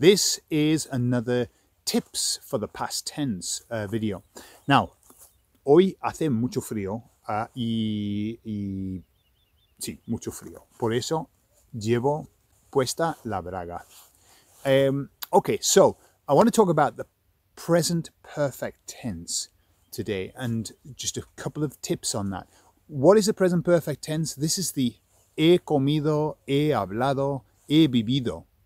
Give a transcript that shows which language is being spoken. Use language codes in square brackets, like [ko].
[en] This is another tips for the past tense video. [es] Now, hoy hace mucho frío y sí, mucho frío. Por eso llevo puesta la braga. [en] Okay, so I want to talk about the present perfect tense today and just a couple of tips on that. What is the present perfect tense? This is the [es] he comido, he hablado, he vivido.